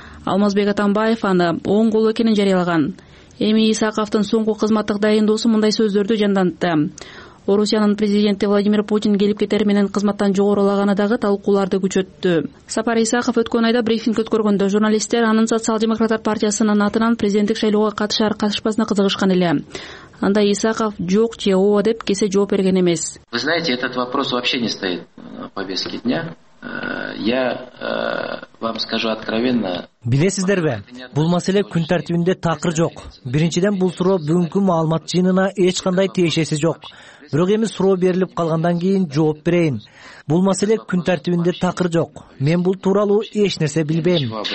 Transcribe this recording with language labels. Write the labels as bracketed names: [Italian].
[Kyrgyz] Алмазбек Атамбаев аны оң кол экенин жарыялаган. Эми Исаковдун соңку кызматтык дайындоосу мындай сөздөрдү жанданты. Орусиянын президенти Владимир Путин келип кетер менен кызматтан жогорулаганы дагы талкууларды күчөттү. Сапар Исаков өткөн айда брифинг өткөргөндө журналисттер анын социал-демократтар партиясынын атынан президенттик шайлоого катышар катышпасына кызыгышкан эле. Анда Исаков жок же ооба деп кесе жооп берген эмес. [Russian] Вы знаете, этот вопрос вообще не стоит на повестке дня. Я вам скажу откровенно. [Kyrgyz] Билесиздерби? Бул маселе күн тартибинде такыр жок. Биринчиден бул суроо бүгүнкү маалымат жыйынына эч кандай тиешеси жок. Бирок эми суроо берилип калгандан кийин жооп берейин. Бул маселе күн тартибинде такыр жок. Мен бул тууралуу эч нерсе билбейм.